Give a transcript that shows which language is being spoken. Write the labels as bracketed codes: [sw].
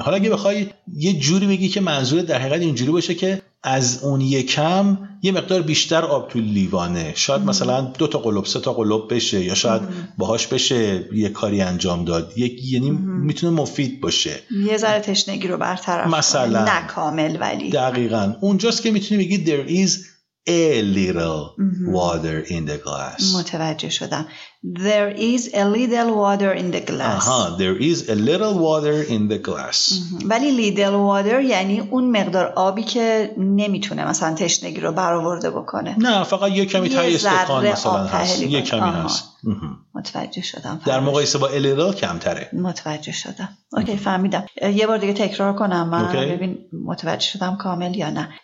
[fa] حالا اگه بخوای یه جوری بگی که منظورت در حقیقت اینجوری باشه که از اون یکم یه مقدار بیشتر آب تو لیوانه، شاید مثلا دو تا قلوب، سه تا قلوب بشه، یا شاید باهاش بشه یه کاری انجام داد، یعنی میتونه مفید باشه، یه ذره تشنگی رو برطرف مثلا کنه. نه کامل ولی دقیقاً اونجاست که میتونی بگی [en] there is a little water in the glass. [fa] متوجه شدم. [en] There is a little water in the glass. [fa] آها. [en] There is a little water in the glass. [fa] ولی [en] little water [fa] یعنی اون مقدار آبی که نمیتونه مثلا تشنگی رو برآورده بکنه. نه فقط یک کمی تای استخوان مثلا هست. یک کمی هست. متوجه شدم. در مقایسه با [en] a little [fa] کمتره. متوجه شدم. اوکی فهمیدم. یه بار دیگه تکرار کنم من ببین متوجه شدم کامل یا نه.